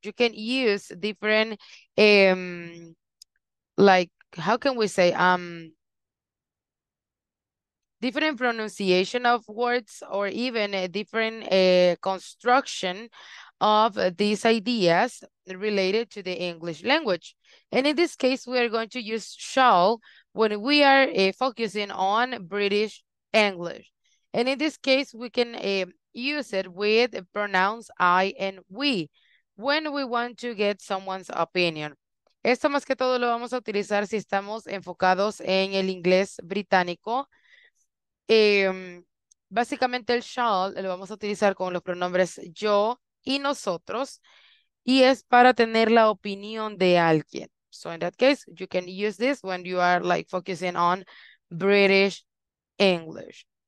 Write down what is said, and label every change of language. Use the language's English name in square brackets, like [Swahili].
[English] You can use different like, how can we say, different pronunciation of words or even a different construction of these ideas related to the English language. And in this case, we are going to use shall when we are focusing on British English. And in this case, we can use it with pronouns I and we when we want to get someone's opinion. [Spanish] Esto más que todo lo vamos a utilizar si estamos enfocados en el inglés británico. Básicamente el shall lo vamos a utilizar con los pronombres yo y nosotros. Y es para tener la opinión de alguien. [English] So in that case, you can use this when you are like focusing on British English.